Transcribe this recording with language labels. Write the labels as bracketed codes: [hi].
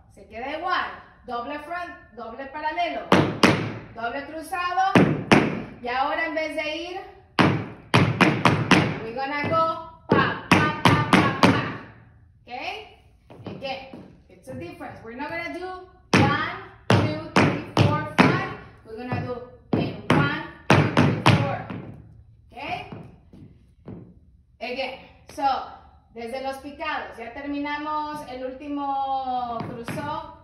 [es] Queda igual, doble front, doble paralelo, doble cruzado, y ahora en vez de ir, [en] we're gonna go pa, pa, pa, pa, pa, okay? Again, it's a difference. We're not gonna do 1, 2, 3, 4, 5, we're gonna do in 1, 2, 3, 4, okay? Again, so, [es] desde los picados, ya terminamos el último cruzo.